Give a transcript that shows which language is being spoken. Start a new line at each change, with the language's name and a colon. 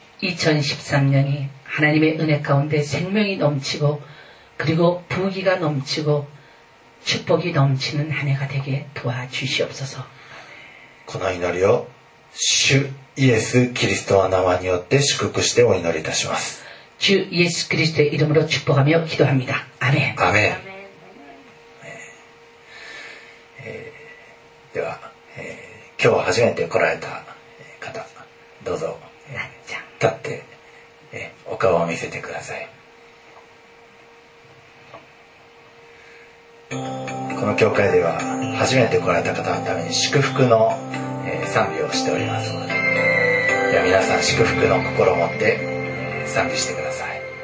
Korean: 이2013년이하나님의은혜가운데생명이넘치고그리고부귀가넘치고축복이넘치는한해가되게도와주시옵소서。
Japanese: この祈りを主イエスキリストの名前によって祝福してお祈りいたします。
Korean: 주예수그리스도의이름으로축복하며기도합니다。 아멘 아멘。
Japanese: では、今日初めて来られた方、どうぞ、立って、お顔を見せてください。この教会では初めて来られた方のために祝福の、賛美をしておりますので、では皆さん祝福の心を持って、賛美してください。